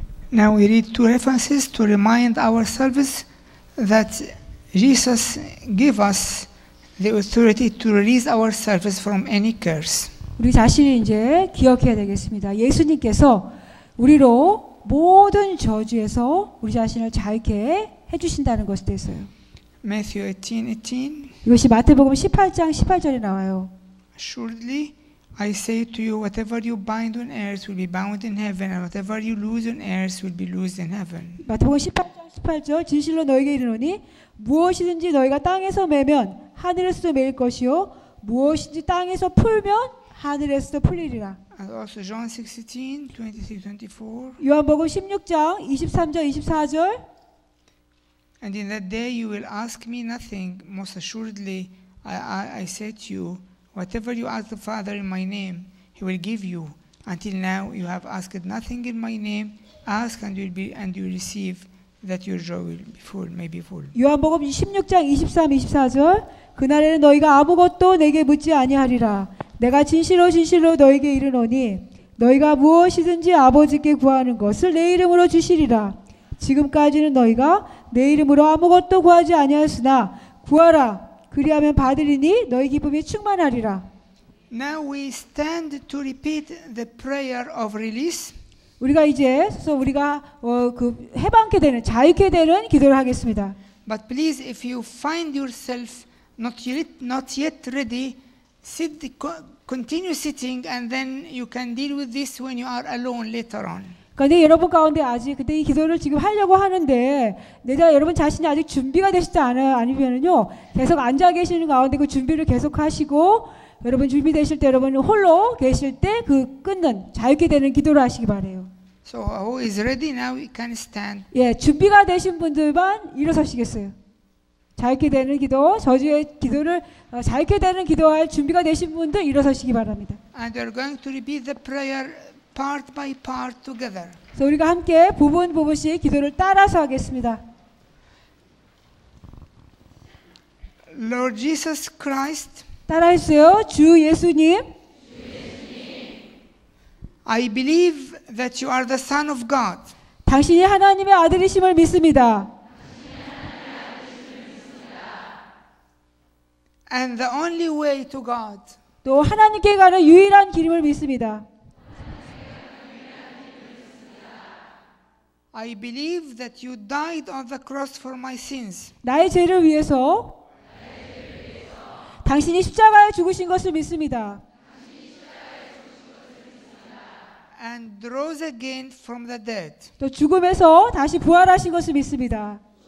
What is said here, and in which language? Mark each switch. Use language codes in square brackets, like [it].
[en] Now we read two references to remind ourselves that Jesus gave us the authority to release ourselves from any curse. [ko] 우리 자신이 이제 기억해야 되겠습니다. 예수님께서 우리로 모든 저주에서 우리 자신을 자유케 해주신다는 것에 대해서요. [en] Matthew 18:18. [ko] 이것이 마태복음 18장 18절에 나와요. [en] Surely I say to you, whatever you bind on earth will be bound in heaven, and whatever you lose on earth will be loosed in heaven. [ko] 마태복음 18장 18절. 진실로 너희에게 이르노니 무엇이든지 너희가 땅에서 매면 하늘에서도 매일 것이요 무엇이든지 땅에서 풀면 하늘에서도 풀리리라. [en] And also John 16:23-24. [ko] 요한복음 16장 23절 24절. [en] And in that day you will ask me nothing. Most assuredly, I say to you. Whatever you ask the Father in my name, he will give you. Until now, you have asked nothing in my name. Ask and you'll be and you receive that your joy will be full, may be full. [ko] 요한복음 16장 23, 24절. 그날에는 너희가 아무것도 내게 묻지 아니하리라. 내가 진실로 진실로 너희에게 이르노니 너희가 무엇이든지 아버지께 구하는 것을 내 이름으로 주시리라. 지금까지는 너희가 내 이름으로 아무것도 구하지 아니하였으나 구하라. 그리하면 받으리니 너희 기쁨이 충만하리라. [en] Now we stand to repeat the prayer of release. [ko] 우리가 이제 서서 우리가 그 해방케 되는 자유케 되는 기도를 하겠습니다. [en] But please, if you find yourself not yet ready, continue sitting, and then you can deal with this when you are alone later on. [ko] 그런데 여러분 가운데 아직 그때 이 기도를 지금 하려고 하는데 내가 여러분 자신이 아직 준비가 되시지 아니면은요 계속 앉아 계시는 가운데 그 준비를 계속 하시고 여러분 준비되실 때 여러분 홀로 계실 때 그 끊는 자유케 되는 기도를 하시기 바래요. [en] So who is ready now? We can stand. [ko] 예, 준비가 되신 분들만 일어서시겠어요. 자유케 되는 기도, 저주의 기도를 자유케 되는 기도할 준비가 되신 분들 일어서시기 바랍니다. [en] And we're going to repeat the prayer part by part together. [ko] 그래서 우리가 함께 부분 부분씩 기도를 따라서 하겠습니다. [en] Lord Jesus Christ. [ko] 따라했어요. 주 예수님. [en] I believe that you are the Son of God. [ko] 당신이 하나님의 아들이심을 믿습니다. [en] And the only way to God. [ko] 또 하나님께 가는 유일한 길임을 믿습니다. [en] I believe that you died on the cross for my sins. [ko] 나의 죄를 위해서 당신이 십자가에 죽으신 것을 믿습니다. [en] And rose again from the dead. [ko] 또 죽음에서 다시 부활하신 것을 믿습니다.